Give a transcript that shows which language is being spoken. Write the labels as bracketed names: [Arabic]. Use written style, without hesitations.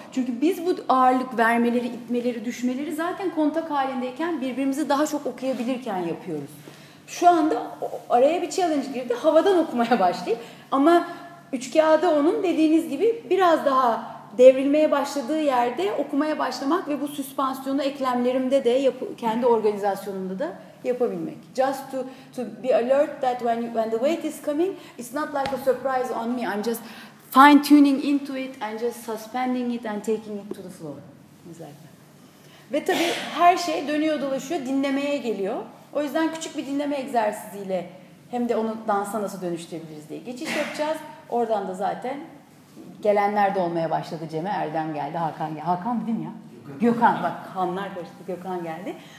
[Turkish] Çünkü biz bu ağırlık vermeleri, itmeleri, düşmeleri zaten kontak halindeyken birbirimizi daha çok okuyabilirken yapıyoruz. Şu anda araya bir challenge girdi, havadan okumaya başlayıp. Ama üç kağıda onun dediğiniz gibi biraz daha devrilmeye başladığı yerde okumaya başlamak ve bu süspansiyonu eklemlerimde de, kendi organizasyonumda da yapabilmek. [English] Just to be alert that when the weight is coming, it's not like a surprise on me. I'm just fine tuning into it and just suspending it and taking it to the floor. Exactly. [Turkish] Ve tabii her şey dönüyor dolaşıyor, dinlemeye geliyor. O yüzden küçük bir dinleme egzersiziyle hem de onu dansa nasıl dönüştürebiliriz diye geçiş yapacağız. Oradan da zaten gelenler de olmaya başladı. Cem'e Erdem geldi, Hakan geldi. Hakan dedim ya. Gökhan. Bak kanlar karıştı. Gökhan geldi.